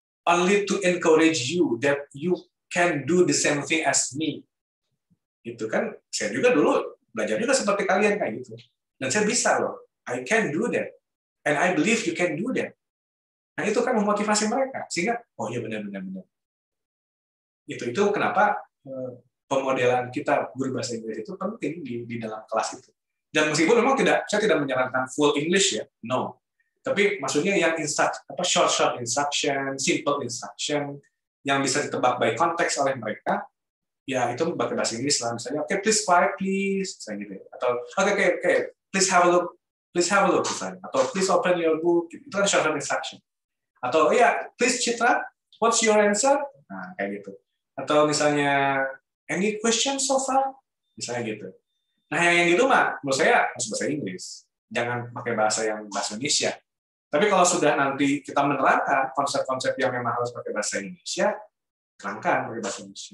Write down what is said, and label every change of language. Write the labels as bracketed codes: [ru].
[en] Only to encourage you that you can do the same thing as me. [id] Itu kan saya juga dulu belajar juga seperti kalian kayak gitu. Dan saya bisa loh. [en] I can do that. And I believe you can do that. [id] Nah itu kan memotivasi mereka sehingga oh ya benar. Itu kenapa pemodelan kita guru bahasa Inggris itu penting di dalam kelas itu. Dan meskipun memang saya tidak menyarankan full English ya, no. Tapi maksudnya yang short instruction, simple instruction yang bisa ditebak by context oleh mereka, ya itu pakai bahasa Inggris lah misalnya. [en] Okay, please quiet, please. [id] Misalnya gitu. [en] Atau okay, please have a look. Please have a look, misalnya. Atau please open your book. [id] Itu kan [en] short-term instruction. Atau ya, yeah, please Citra, what's your answer? [id] Nah, kayak gitu. Atau misalnya, [en] any questions so far? [id] Misalnya gitu. Nah, yang gitu, Mak, menurut saya harus bahasa Inggris. jangan pakai bahasa yang bahasa Indonesia. Tapi kalau sudah nanti kita menerangkan konsep-konsep yang memang harus pakai bahasa Indonesia, terangkan pakai bahasa Indonesia.